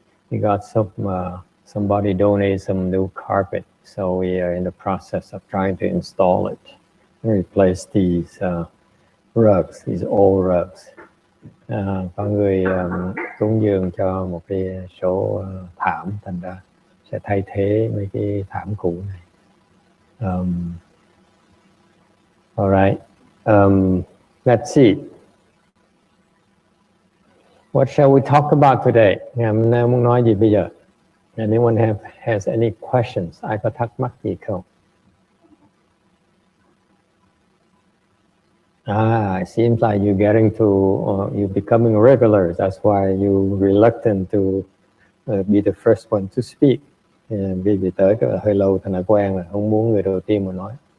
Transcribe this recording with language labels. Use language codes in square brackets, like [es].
[en] We got somebody donated some new carpet, so we are in the process of trying to install it and replace these rugs, these old rugs. [vi] Có người cúng dường cho một cái số thảm, thành ra sẽ thay thế mấy cái thảm cũ này. [en] All right. Let's see. What shall we talk about today? [vi] Ngày muốn nói gì bây giờ? [en] Anyone has any questions? [vi] Ai có thắc mắc gì không? [en] It seems like you're getting to, you're becoming regulars. That's why you're reluctant to be the first one to speak. [vi] Vì vì tới cái hơi lâu thành đã quen rồi, không muốn người đầu tiên mà nói.